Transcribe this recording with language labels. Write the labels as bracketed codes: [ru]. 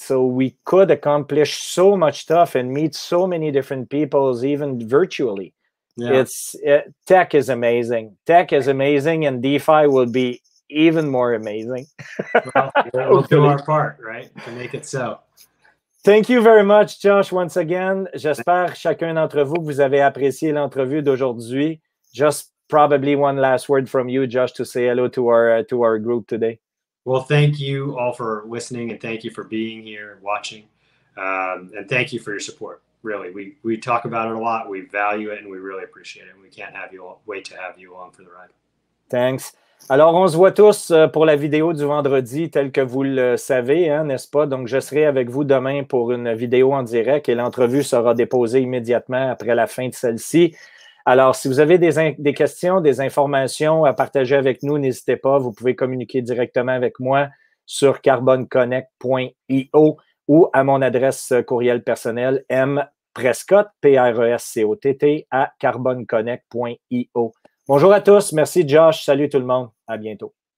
[en] So we could accomplish so much stuff and meet so many different peoples, even virtually. Yeah. Tech is amazing. Tech is amazing, and DeFi will be even more amazing. We'll do our part, right, to make it so. Thank you very much, Josh, once again. [fr] J'espère chacun d'entre vous que vous avez apprécié l'entrevue d'aujourd'hui. [en] Just probably one last word from you, Josh, to say hello to our group today. Well, thank you all for listening, and thank you for being here and watching. And thank you for your support. Really, we talk about it a lot. We value it and we really appreciate it. And we can't wait to have you on for the ride. Thanks. [fr] Alors, on se voit tous pour la vidéo du vendredi, tel que vous le savez, hein, n'est-ce pas? Donc, je serai avec vous demain pour une vidéo en direct et l'entrevue sera déposée immédiatement après la fin de celle-ci. Alors, si vous avez des questions, des informations à partager avec nous, n'hésitez pas, vous pouvez communiquer directement avec moi sur carbonconnect.io ou à mon adresse courriel personnelle mprescott, P-R-E-S-C-O-T-T, à carbonconnect.io. Bonjour à tous, merci Josh, salut tout le monde, à bientôt.